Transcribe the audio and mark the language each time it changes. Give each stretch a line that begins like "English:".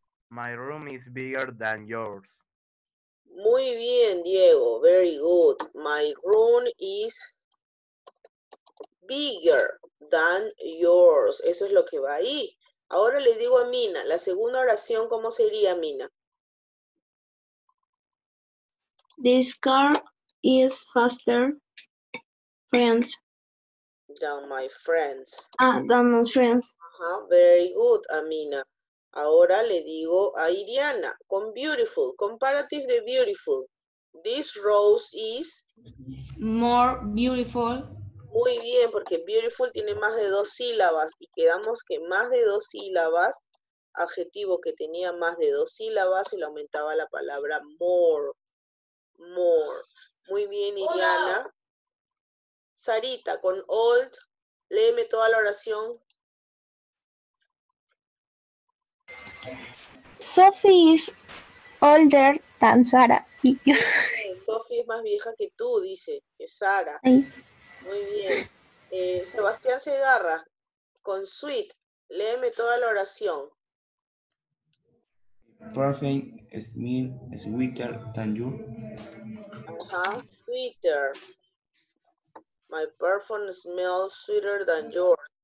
English: My room is bigger than yours.
Spanish: Muy bien, Diego.
English: Very good. My room is bigger than yours.
Spanish: Eso es lo que va ahí. Ahora le digo a Mina, la segunda oración, ¿cómo sería, Mina?
English: This car is faster, friends. Than my friends. Than my friends.
Spanish: Uh-huh.
English: Very good,
Spanish: Amina. Ahora le digo a Iriana, con beautiful, comparative de beautiful.
English: This rose is... more beautiful.
Spanish: Muy bien, porque beautiful tiene más de dos sílabas y quedamos que más de dos sílabas, adjetivo que tenía más de dos sílabas, se le aumentaba la palabra more, more. Muy bien, Iriana. Hola. Sarita, con old, léeme toda la oración.
English: Sophie is older than Sara.
Spanish: Sophie es más vieja que tú, dice, que Sara. Muy bien. Sebastián Segarra, con sweet, léeme toda la oración.
English: Perfect is mean, is sweeter than you.
Spanish: Ajá, sweeter.
English: My perfume smells sweeter than yours.